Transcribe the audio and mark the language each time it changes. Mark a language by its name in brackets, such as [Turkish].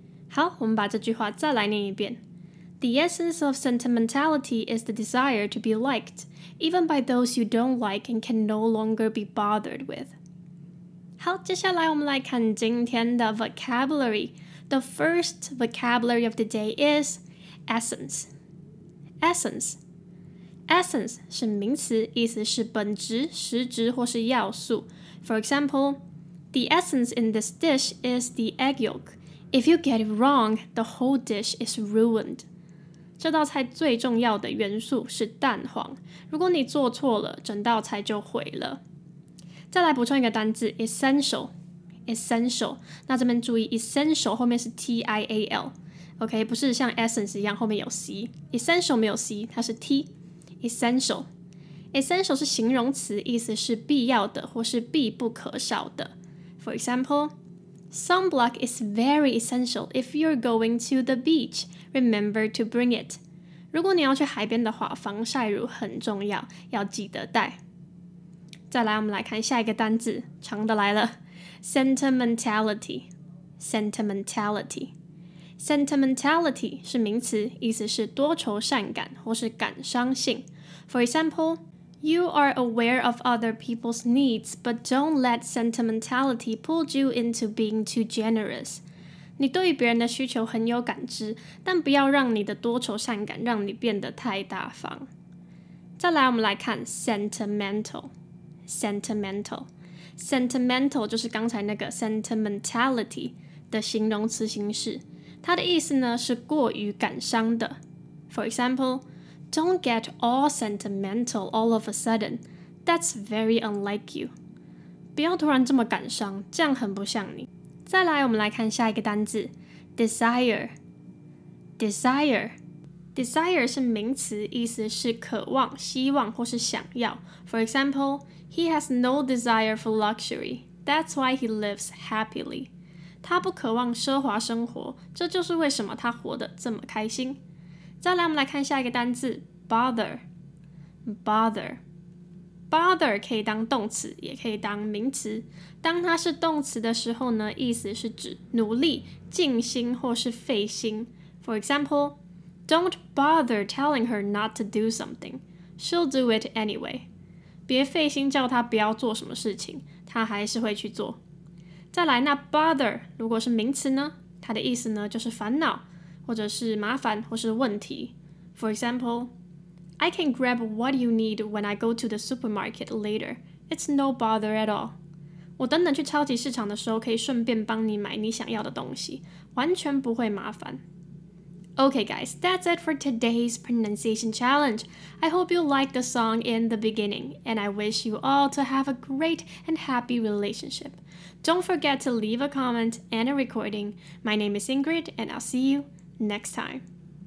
[Chinese] 好，我们把这句话再来念一遍。 [English] The essence of sentimentality is the desire to be liked, even by those you don't like and can no longer be bothered with. [Chinese] 好，接下来我们来看今天的 vocabulary. [English] The first vocabulary of the day is essence. [Chinese] Essence. Essence 是名词，意思是本质、实质或是要素。 [English] For example, the essence in this dish is the egg yolk. If you get it wrong, the whole dish is ruined. [Chinese] 这道菜最重要的元素是蛋黄。如果你做错了，整道菜就毁了。再来补充一个单字 ,essential, essential. 那这边注意 ,essential 后面是 T-I-A-L, OK, 不是像 essence 一样后面有 C, essential 没有 C, 它是 T, essential. Essential 是形容词，意思是必要的或是必不可少的。 [English] For example,Sunblock is very essential if you're going to the beach. Remember to bring it. [Chinese] 如果你要去海边的话，防晒乳很重要，要记得带。再来，我们来看下一个单字，长的来了。 Sentimentality, sentimentality, sentimentality 是名词，意思是多愁善感或是感伤性。 [English] For example,You are aware of other people's needs, but don't let sentimentality pull you into being too generous. [Chinese] 你对于别人的需求很有感知，但不要让你的多愁善感让你变得太大方。再来，我们来看 sentimental 就是刚才那个 sentimentality 的形容词形式，它的意思呢是过于感伤的。 [English] For example, don't get all sentimental all of a sudden. That's very unlike you. [Chinese] 不要突然这么感伤，这样很不像你。再来，我们来看下一个单字 desire 是名词，意思是渴望、希望或是想要。 [English] For example, he has no desire for luxury. That's why he lives happily. [Chinese] 他不渴望奢华生活，这就是为什么他活得这么开心。再来，我们来看下一个单字 bother 可以当动词，也可以当名词。当它是动词的时候呢，意思是指努力、尽心或是费心。 [English] For example, don't bother telling her not to do something. She'll do it anyway. [Chinese] 别费心叫她不要做什么事情，她还是会去做。再来，那 bother 如果是名词呢，它的意思呢就是烦恼或者是麻烦或是问题。 [English] For example,I can grab what you need when I go to the supermarket later. It's no bother at all. [Chinese] 我等等去超级市场的时候可以顺便帮你买你想要的东西，完全不会麻烦。 [English] Okay guys, that's it for today's pronunciation challenge. I hope you liked the song in the beginning, and I wish you all to have a great and happy relationship. Don't forget to leave a comment and a recording. My name is Ingrid, and I'll see you next time.